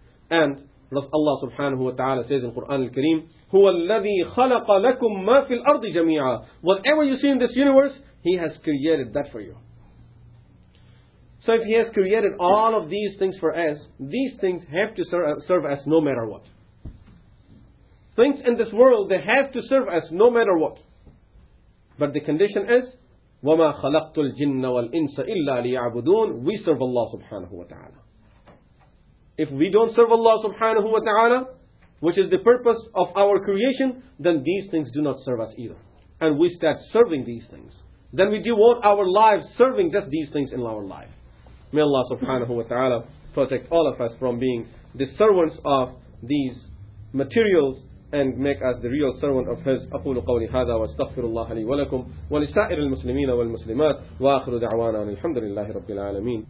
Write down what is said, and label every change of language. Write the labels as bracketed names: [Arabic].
[English] And Allah subhanahu wa ta'ala says in Quran al-Kareem, [Arabic] هُوَ الَّذِي خَلَقَ لَكُمْ مَا فِي الْأَرْضِ جَمِيعًا. [English] Whatever you see in this universe, He has created that for you. So if He has created all of these things for us, these things have to serve us no matter what. Things in this world, they have to serve us no matter what. But the condition is, [Arabic] وَمَا خَلَقْتُ الْجِنَّ وَالْإِنسَ إِلَّا لِيَعْبُدُونَ. [English] We serve Allah subhanahu wa ta'ala. If we don't serve Allah subhanahu wa ta'ala, which is the purpose of our creation, then these things do not serve us either. And we start serving these things. Then we devote our lives serving just these things in our life. May Allah subhanahu wa ta'ala protect all of us from being the servants of these materials and make us the real servant of His. [Arabic] أقول قولي هذا واستغفر الله لي ولكم ولسائر المسلمين والمسلمات وآخر دعوانا الحمد لله رب العالمين.